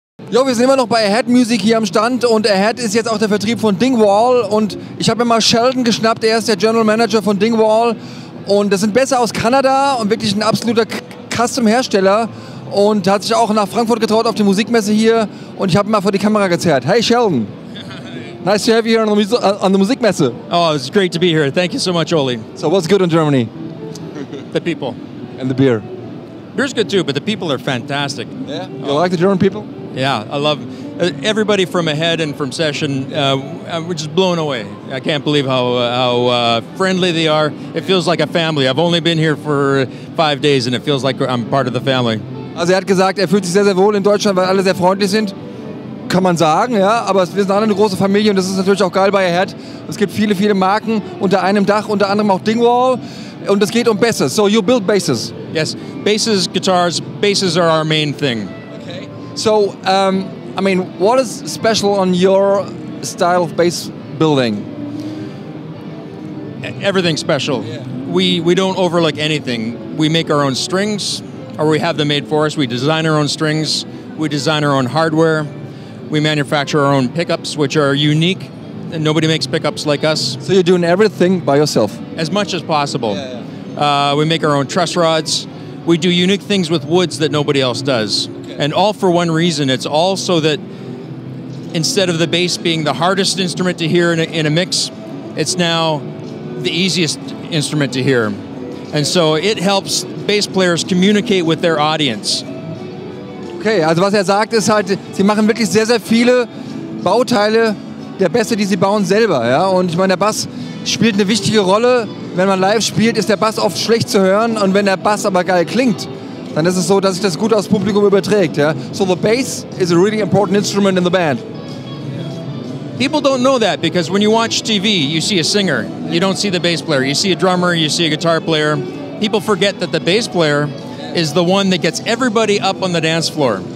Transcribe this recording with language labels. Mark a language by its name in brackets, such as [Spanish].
[German] Jo, wir sind immer noch bei Ahead Music hier am Stand und Ahead ist jetzt auch der Vertrieb von Dingwall und ich habe mir mal Sheldon geschnappt, er ist der General Manager von Dingwall und das sind Bässe aus Kanada und wirklich ein absoluter Custom-Hersteller und hat sich auch nach Frankfurt getraut auf die Musikmesse hier und ich habe ihn mal vor die Kamera gezerrt. [English] Hey Sheldon! Nice to have you here on the Musikmesse. Oh, it's great to be here. Thank you so much, Oli. So what's good in Germany? The people. And the beer. Beer's good too, but the people are fantastic. Yeah? You like the German people? Yeah, I love everybody from Ahead and from Session. We're just blown away. I can't believe how friendly they are. It feels like a family. I've only been here for 5 days and it feels like I'm part of the family. [German] Also er hat gesagt, er fühlt sich sehr, sehr wohl in Deutschland, weil alle sehr freundlich sind. Kann man sagen, ja, aber wir sind alle eine große Familie und das ist natürlich auch geil bei Ahead. Es gibt viele, viele Marken unter einem Dach, unter anderem auch Dingwall und es geht um Bässe. [English] So you build basses. Yes, basses, guitars, basses are our main thing. Okay. So, I mean, what is special on your style of bass building? Everything special. Yeah. We don't overlook anything. We make our own strings or we have them made for us. We design our own strings, we design our own hardware. We manufacture our own pickups, which are unique, and nobody makes pickups like us. So you're doing everything by yourself? As much as possible. Yeah, yeah. We make our own truss rods. We do unique things with woods that nobody else does. Okay. And all for one reason. It's all so that instead of the bass being the hardest instrument to hear in a mix, it's now the easiest instrument to hear. And so it helps bass players communicate with their audience. [German] Okay, also was er sagt ist halt, sie machen wirklich sehr, sehr viele Bauteile der Bässe, die sie bauen selber. Ja? Und ich meine, der Bass spielt eine wichtige Rolle. Wenn man live spielt, ist der Bass oft schlecht zu hören. Und wenn der Bass aber geil klingt, dann ist es so, dass sich das gut aufs Publikum überträgt. Ja? [English] So the bass is a really important instrument in the band. People don't know that, because when you watch TV, you see a singer. You don't see the bass player. You see a drummer, you see a guitar player. People forget that the bass player is the one that gets everybody up on the dance floor.